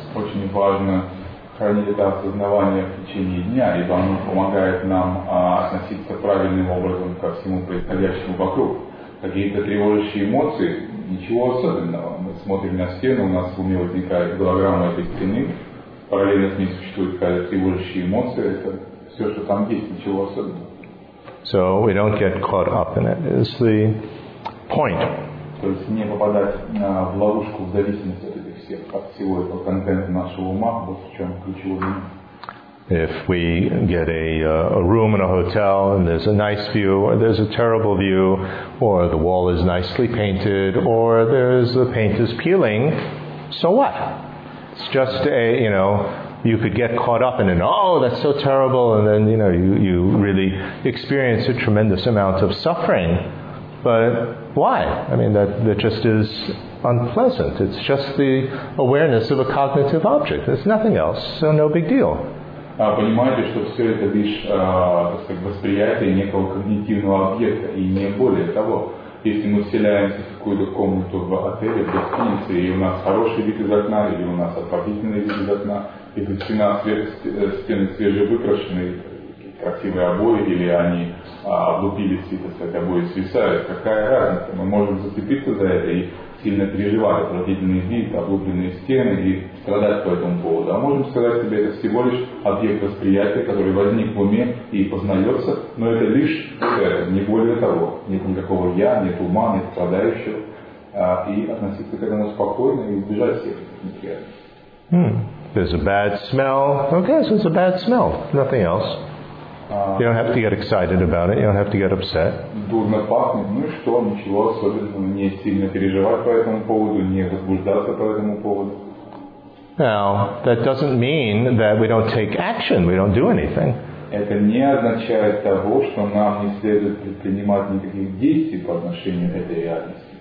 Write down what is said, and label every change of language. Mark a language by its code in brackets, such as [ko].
[ru] Очень важно хранить это осознавание в течение дня, ибо оно помогает нам относиться правильным образом ко всему происходящему вокруг. Какие-то тревожащие эмоции, ничего особенного. Мы смотрим на стену, у нас в уме возникает голограмма этой стены, параллельно с ней существует какая-то тревожащая эмоция, это все, что там есть, ничего особенного. [en] So we don't get caught up in it. It's the point. [ru] То есть не попадать в ловушку в зависимости от этих всех, от всего этого контента нашего ума, вот в чем ключевой. [en] If we get a room in a hotel and there's a nice view, or there's a terrible view, or the wall is nicely painted, or there's the paint is peeling, so what? It's just you could get caught up in it. Oh, that's so terrible, and then you really experience a tremendous amount of suffering. But why? I mean, that just is unpleasant. It's just the awareness of a cognitive object. There's nothing else, so no big deal. [ru] Понимаете, что все это лишь восприятие некого когнитивного объекта и не более того. Если мы вселяемся в какую-то комнату в отеле, в гостинице, и у нас хороший вид из окна, или у нас отвратительный вид из окна, или стены свежевыкрашены, красивые обои, или они облупились, и обои свисают, какая разница? Мы можем зацепиться за это и сильно переживать отвратительный вид, облупленные стены и страдать по этому поводу. А можем сказать себе, это всего лишь объект восприятия, который возник в уме и познается, но это лишь это, не более того. Нет никакого я, нет ума, нет страдающего. И относиться к этому спокойно и избежать всех неприятностей. [en] There's a bad smell. Okay, so it's a bad smell. Nothing else. You don't have to get excited about it. You don't have to get upset. [ru] Дурно пахнет. Ну и что? Ничего особенного. Не сильно переживать по этому поводу, не возбуждаться по этому поводу. [en] Now, that doesn't mean that we don't take action, we don't do anything. [ru] Это не означает того, что нам не следует предпринимать никаких действий по отношению к этой реальности.